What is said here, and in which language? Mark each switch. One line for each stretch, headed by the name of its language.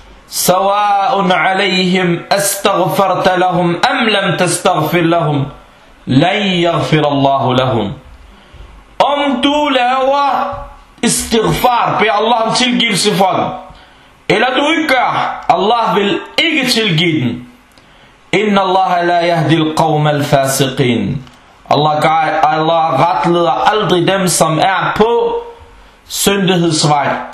Arabic: سَوَاءٌ عَلَيْهِمْ أَسْتَغْفَرْتَ لَهُمْ أَمْ لَمْ تَسْتَغْفِرْ لَهُمْ لَنْ يَغْفِرَ اللَّهُ لَهُمْ.
Danish: Om du laver istighfar, beder Allah om tilgivelse for dem, eller du ikke gør, Allah vil ikke tilgive dem.
Arabic: إن الله لا يهدي القوم الفاسقين.
Danish: Allah retleder aldrig dem, som er på syndighedsvej.